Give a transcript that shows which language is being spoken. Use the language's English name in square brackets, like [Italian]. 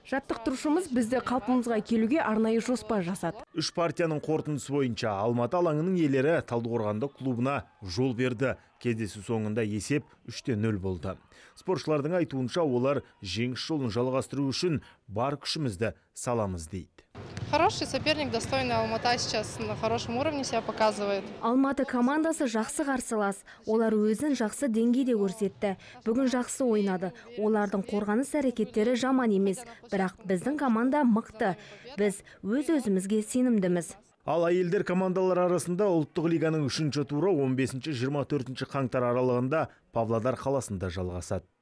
[Kazakh] Жаттықтырушымыз бізді қалпымызға келуге арнайы жоспар жасады. Үш партияның қорытындысы бойынша Алматы алаңының иелері Талдықорғанды клубына жол берді. Кездесу соңында есеп 3-0 болды. Спортшылардың айтуынша, олар жеңіс жолын жалғастыру үшін бар күшімізді саламыз дейді. [Russian] Хороший соперник, достойный Алматы сейчас на хорошем уровне себя показывает. [Kazakh] Алматы командасы жақсы қарсылас. Олар өзін жақсы деңгейде көрсетті. Бүгін жақсы ойнады. Олардың қорғаныс әрекеттері жаман емес. Бірақ біздің команда мықты. Біз өз-өзімізге сенімдіміз. Ал әйелдер командалар арасында ұлттық лиганың 3-ші туры 15-24 қаңтар аралығында Павлодар қаласында жалғасады.